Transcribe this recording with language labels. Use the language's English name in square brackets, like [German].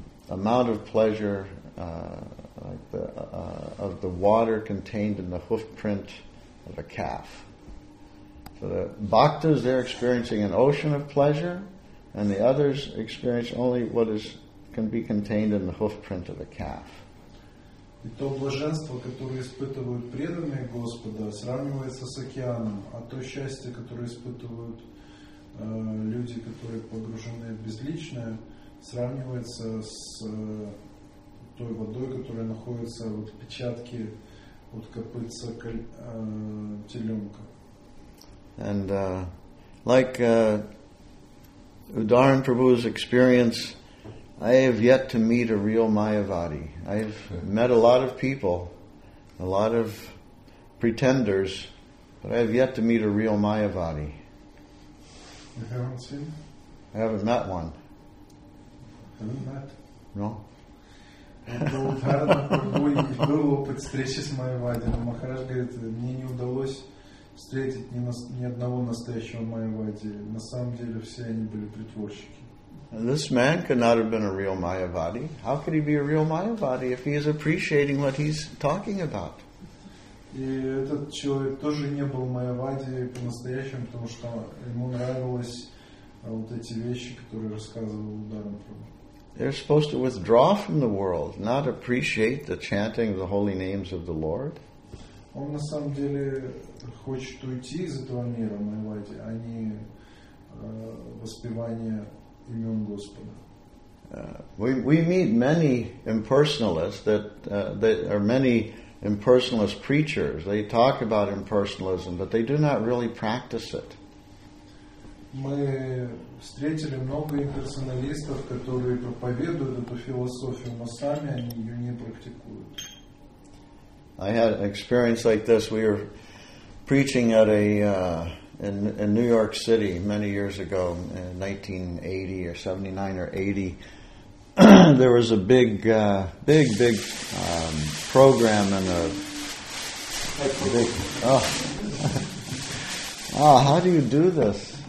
[English] amount of pleasure like the of the water contained in the hoof print of a calf. So the bhaktas, they're experiencing an ocean of pleasure, and the others experience only what is can be contained in the hoof print of a calf. [Russian] И то блаженство, которое испытывают преданные Господа, сравнивается с океаном, а то счастье, которое испытывают люди, которые погружены в безличное, сравнивается с той водой, которая находится в отпечатке от копытца теленка. [English] And Udaran Prabhu's experience, I have yet to meet a real Mayavadi. I've met a lot of people, a lot of pretenders, but I have yet to meet a real Mayavadi. You haven't seen? I haven't met one. Haven't met? No. [Russian] Был опыт встречи с Майавади, но Махарадж говорит, мне не удалось встретить ни одного настоящего Майавади. На самом деле все они были притворщики. [English] This man could not have been a real Mayavadi. How could he be a real Mayavadi if he is appreciating what he's talking about? [Russian] И этот человек тоже не был Mayavadi по-настоящему, потому что ему нравились вот эти вещи, которые рассказывал Ударан Прабху. [English] They're supposed to withdraw from the world, not appreciate the chanting of the holy names of the Lord. [Russian] Он на самом деле хочет уйти из этого мира, Mayavadi, а не воспевание имен Господа. [English] We meet many impersonalists that are many impersonalist preachers. They talk about impersonalism, but they do not really practice it. [Russian] Мы встретили много имперсоналистов, которые проповедуют эту философию, но сами они ее не практикуют. [English] I had an experience like this. We were preaching at a in New York City many years ago, in 1980 or 79 or 80, there was a big program and how do you do this?